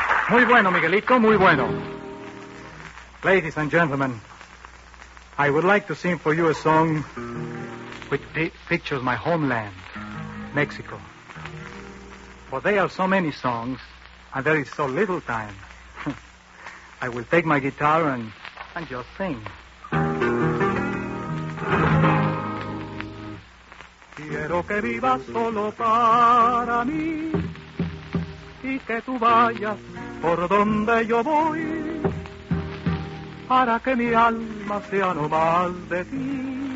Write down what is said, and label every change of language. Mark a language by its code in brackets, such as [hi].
[es] muy bueno, Miguelito, muy bueno. [en] Ladies and gentlemen, I would like to sing for you a song which pictures my homeland, Mexico. For there are so many songs, and there is so little time. I will take my guitar and just sing. [es] Quiero que vivas solo para mí y que tú vayas por donde yo voy para que mi alma sea no más de ti.